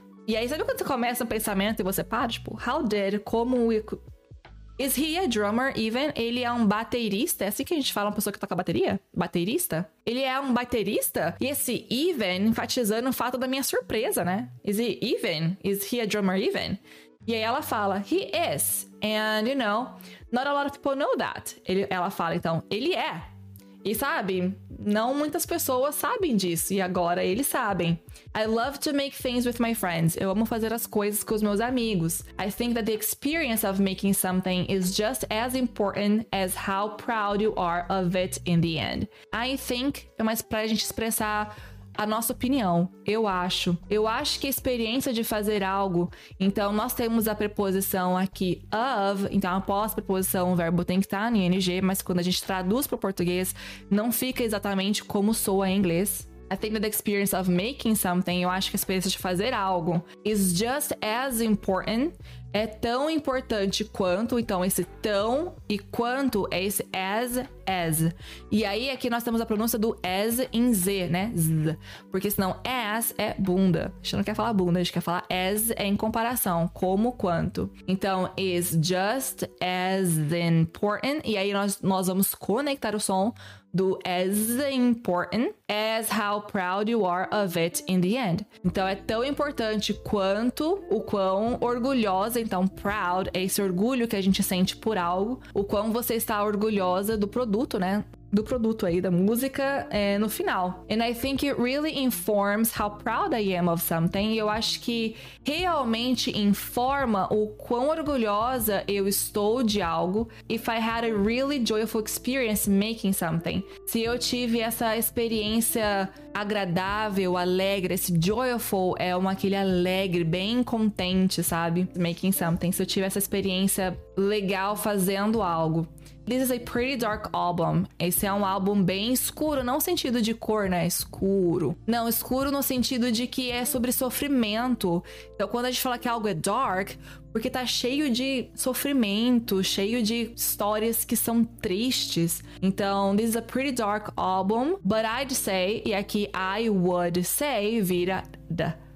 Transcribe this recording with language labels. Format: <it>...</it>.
<pt>E aí, sabe quando você começa o pensamento e você para? Tipo,</pt> <en>how did,</en> <pt>como...</pt> <en>Is he a drummer even?</en> <pt>Ele é um baterista? É assim que a gente fala uma pessoa que toca bateria? Baterista? Ele é um baterista? E esse even enfatizando o fato da minha surpresa, né?</pt> <en>Is he even? Is he a drummer even?</en> <pt>E aí ela fala,</pt> <en>he is. And, you know, not a lot of people know that.</en> <pt>Ela fala, então, ele é. E sabe, não muitas pessoas sabem disso. E agora eles sabem.</pt> <en>I love to make things with my friends.</en> <pt>Eu amo fazer as coisas com os meus amigos.</pt> <en>I think that the experience of making something is just as important as how proud you are of it in the end. I think</en> <pt>é mais pra gente expressar a nossa opinião. Eu acho. Eu acho que a experiência de fazer algo... Então, nós temos a preposição aqui of. Então, após a preposição, o verbo tem que estar em ing. Mas quando a gente traduz para o português, não fica exatamente como soa em inglês.</pt> <en>I think that the experience of making something...</en> <pt>Eu acho que a experiência de fazer algo...</pt> <en>Is just as important.</en> <pt>É tão importante quanto. Então, esse tão e quanto é esse as. E aí, aqui nós temos a pronúncia do as em Z, né? Z. Porque senão, as é bunda. A gente não quer falar bunda, a gente quer falar as é em comparação. Como, quanto. Então,</pt> <en>is just as important.</en> <pt>E aí, nós vamos conectar o som do</pt> <en>as important as how proud you are of it in the end.</en> <pt>Então, é tão importante quanto o quão orgulhosa. Então, proud é esse orgulho que a gente sente por algo. O quão você está orgulhosa do produto, né? Do produto aí, da música, é, no final.</pt> <en>And I think it really informs how proud I am of something.</en> <pt>Eu acho que realmente informa o quão orgulhosa eu estou de algo.</pt> <en>If I had a really joyful experience making something.</en> <pt>Se eu tive essa experiência agradável, alegre, esse joyful é aquele alegre, bem contente, sabe?</pt> <en>Making something.</en> <pt>Se eu tive essa experiência legal fazendo algo.</pt> <en>This is a pretty dark album.</en> <pt>Esse é um álbum bem escuro, não no sentido de cor, né? Escuro. Não, escuro no sentido de que é sobre sofrimento. Então, quando a gente fala que algo é dark, porque tá cheio de sofrimento, cheio de histórias que são tristes.</pt> <en>Então, this is a pretty dark album, but I'd say,</en> <pt>e aqui</pt> <en>I would say,</en> <pt>vira da.</pt>